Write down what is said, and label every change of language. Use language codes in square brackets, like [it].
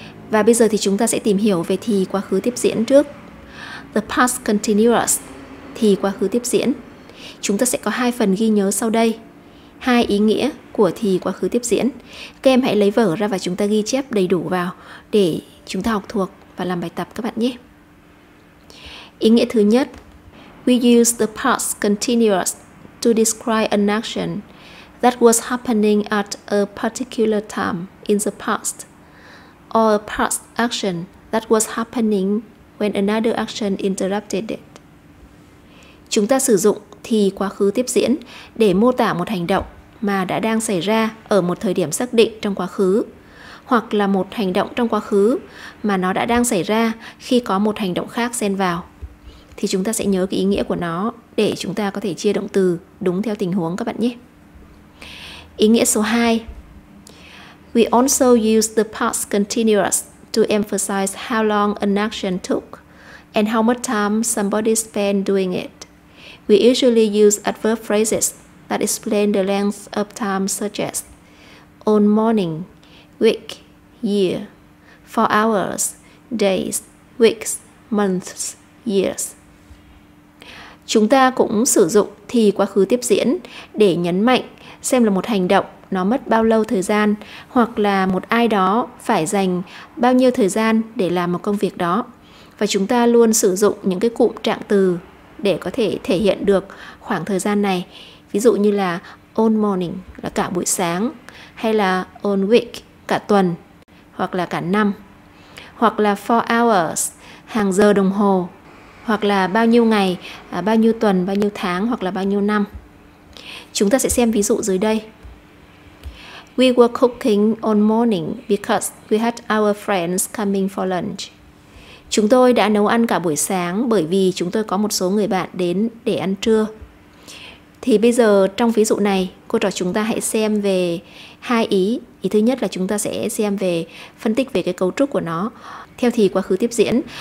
[vi] Và bây giờ thì chúng ta sẽ tìm hiểu về thì quá khứ tiếp diễn trước. [en] The past continuous, [vi] thì quá khứ tiếp diễn. Chúng ta sẽ có hai phần ghi nhớ sau đây. Hai ý nghĩa của thì quá khứ tiếp diễn. Các em hãy lấy vở ra và chúng ta ghi chép đầy đủ vào để chúng ta học thuộc và làm bài tập các bạn nhé. Ý nghĩa thứ nhất, [en] we use the past continuous to describe an action that was happening at a particular time in the past, or a past action that was happening when another action interrupted it. [vi] Chúng ta sử dụng thì quá khứ tiếp diễn để mô tả một hành động mà đã đang xảy ra ở một thời điểm xác định trong quá khứ, hoặc là một hành động trong quá khứ mà nó đã đang xảy ra khi có một hành động khác xen vào. Thì chúng ta sẽ nhớ cái ý nghĩa của nó để chúng ta có thể chia động từ đúng theo tình huống các bạn nhé. Ý nghĩa số 2. [en] We also use the past continuous to emphasize how long an action took and how much time somebody spent doing it. We usually use adverb phrases that explain the length of time, such as on morning, week, year, for hours, days, weeks, months, years. [vi] Chúng ta cũng sử dụng thì quá khứ tiếp diễn để nhấn mạnh xem là một hành động nó mất bao lâu thời gian, hoặc là một ai đó phải dành bao nhiêu thời gian để làm một công việc đó. Và chúng ta luôn sử dụng những cái cụm trạng từ để có thể thể hiện được khoảng thời gian này. Ví dụ như là all morning là cả buổi sáng, hay là all week cả tuần, hoặc là cả năm, hoặc là four hours hàng giờ đồng hồ, hoặc là bao nhiêu ngày, bao nhiêu tuần, bao nhiêu tháng, hoặc là bao nhiêu năm. Chúng ta sẽ xem ví dụ dưới đây. [en] We were cooking all morning because we had our friends coming for lunch. [vi] Chúng tôi đã nấu ăn cả buổi sáng bởi vì chúng tôi có một số người bạn đến để ăn trưa. Thì bây giờ trong ví dụ này, cô trò chúng ta hãy xem về hai ý. Ý thứ nhất là chúng ta sẽ xem về phân tích về cái cấu trúc của nó theo thì quá khứ tiếp diễn.